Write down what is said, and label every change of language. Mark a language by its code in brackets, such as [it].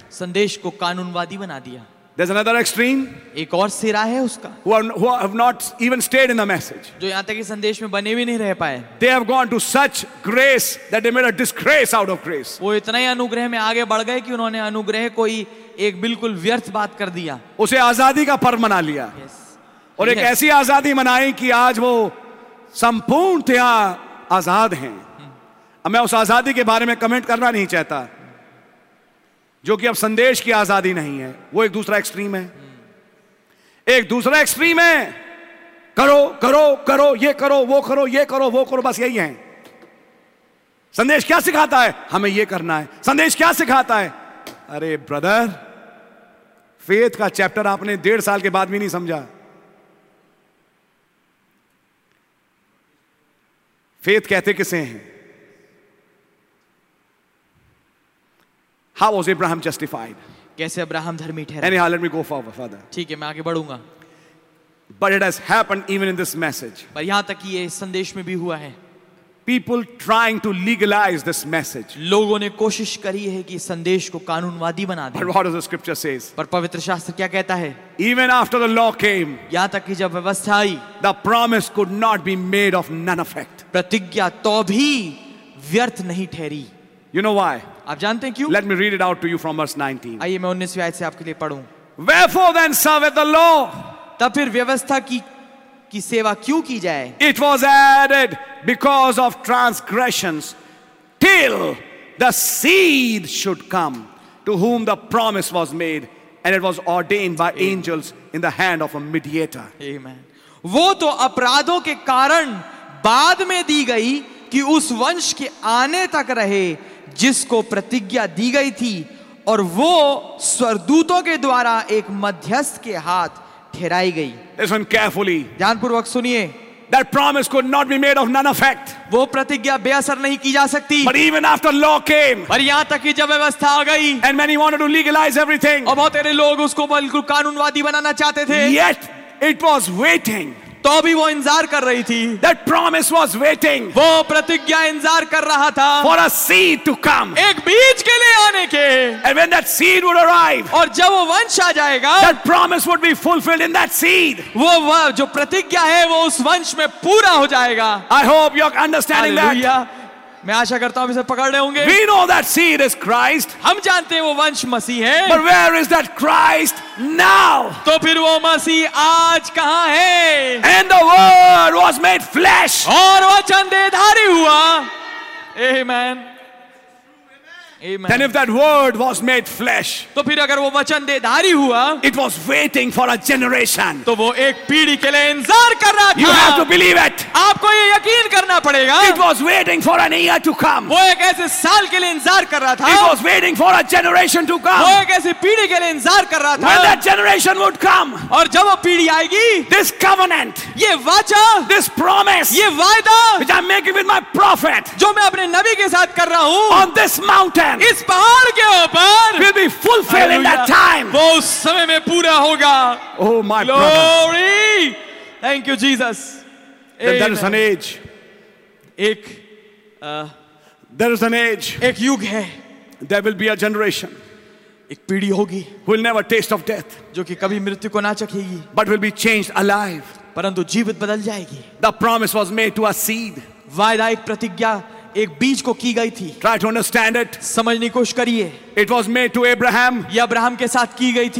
[hi] संदेश को कानूनवादी बना दिया। [en] There's another extreme. [hi] एक और सिरा है उसका. [en] Who have not even stayed in the message. [hi] जो यहाँ तक कि संदेश में बने भी नहीं रह पाए. [en] They have gone to such grace that they made a disgrace out of grace. [hi] वो इतना ही अनुग्रह में आगे बढ़ गए कि उन्होंने अनुग्रह को ही एक बिल्कुल व्यर्थ बात कर दिया. उसे आजादी का पर्व मना लिया. [en] Yes. [hi] और एक ऐसी आजादी मनाई कि आज वो संपूर्णतया आजाद हैं. अब मैं उस आजादी के बारे में कमेंट करना नहीं चाहता जो कि अब संदेश की आजादी नहीं है. वो एक दूसरा एक्सट्रीम है. एक दूसरा एक्सट्रीम है, करो करो करो, ये करो वो करो, ये करो वो करो, बस यही है. संदेश क्या सिखाता है? हमें ये करना है. संदेश क्या सिखाता है? अरे ब्रदर, फेथ का चैप्टर आपने 1.5 साल के बाद भी नहीं समझा. फेथ कहते किसे हैं? [en] How was Abraham justified? [hi] कैसे अब्राहम धर्मी ठहरा? [en] Anyhow, let me go forward, Father. [hi] ठीक है, मैं आगे बढ़ूंगा. [en] But it has happened even in this message. [hi] पर यहाँ तक कि ये संदेश में भी हुआ है. [en] People trying to legalize this message. [hi] लोगों ने कोशिश करी है कि संदेश को कानूनवादी बना दे. [en] But what does the scripture says? [hi] पर पवित्र शास्त्र क्या कहता है? [en] Even after the law came. [hi] यहाँ तक कि जब व्यवस्था आई. [en] The promise could not be made of none effect. [hi] प्रतिज्ञा तो भी व्यर्थ नहीं ठहरी. [en] You know why? [hi] आप जानते हैं क्यों? [en] Let me read it out to you from verse 19. [hi] आइए मैं 19वीं आयत से आपके लिए पढूं. [en] Wherefore then serveth the law? [hi] तब फिर व्यवस्था की सेवा क्यों की जाए? [en] It was added because of transgressions till the seed should come to whom the promise was made and it was ordained by angels in the hand of a mediator. Amen. [hi] वो तो अपराधों के कारण बाद में दी गई कि उस वंश के आने तक रहे जिसको प्रतिज्ञा दी गई थी, और वो स्वर्गदूतों के द्वारा एक मध्यस्थ के हाथ ठहराई गई. [en] Listen carefully. [hi] ध्यानपूर्वक सुनिए. [en] That promise could not be made of none effect. [hi] वो प्रतिज्ञा बेअसर नहीं की जा सकती. [en] But even after law came. [hi] और यहाँ तक कि जब व्यवस्था आ गई. [en] And many wanted to legalize everything. [hi] और बहुत सारे लोग उसको बिल्कुल कानूनवादी बनाना चाहते थे. [en] Yet it was waiting. [hi] तो भी वो इंतजार कर रही थी. [en] That promise was waiting. [hi] वो प्रतिज्ञा इंतजार कर रहा था. [en] For a seed to come. [hi] एक बीज के लिए आने के. [en] And when that seed would arrive. [hi] और जब वो वंश आ जाएगा. [en] That promise would be fulfilled in that seed. [hi] वो जो प्रतिज्ञा है वो उस वंश में पूरा हो जाएगा. [en] I hope you're understanding that. [hi] मैं आशा करता हूँ इसे पकड़ने होंगे. [en] We know that seed is Christ. [hi] हम जानते हैं वो वंश मसीह है. [en] But where is that Christ now? [hi] तो फिर वो मसीह आज कहाँ है? [en] And the Word was made flesh. [hi] और वचन देहधारी हुआ. Amen. Amen. [en] Then if that Word was made flesh. [hi] तो फिर अगर वो वचन देहधारी हुआ. [en] It was waiting for a generation. [hi] तो वो एक पीढ़ी के लिए इंतजार कर रहा था. [en] You have to believe it. [hi] आपको ये यकीन करना पड़ेगा. [en] It was waiting for an year to come. [hi] वो एक ऐसे साल के लिए इंतजार कर रहा था. [en] It was waiting for a generation to come. [hi] वो एक ऐसे पीढ़ी के लिए इंतजार कर रहा था. [en] When that generation would come. [hi] और जब वो पीढ़ी आएगी. [en] This covenant. [hi] ये वचन. [en] This promise. [hi] ये वायदा. [en] Which I'm making with my prophet. [hi] जो मैं अपने नबी के साथ कर रहा हूँ. [en] On this mountain. [hi] इस पहाड़ के ऊपर [en] will be fulfilled in that time. [hi] वो उस समय में पूरा होगा. [en] Oh my glory, thank you Jesus. There is an age. [hi] एक [en] there is an age. [hi] एक युग है. [en] There will be a generation. [hi] एक पीढ़ी होगी. [en] Who will never taste of death. [hi] जो कि कभी मृत्यु को ना चखेगी. [en] But will be changed alive. [hi] परंतु जीवित बदल जाएगी. [en] The promise was made to a seed. [hi] वायदा एक प्रतिज्ञा एक बीज को की गई थी. [en] Try to understand it. [hi] समझने की कोशिश करिए. [en] It was made to Abraham. [hi] ये अब्राहम के साथ की गई थी.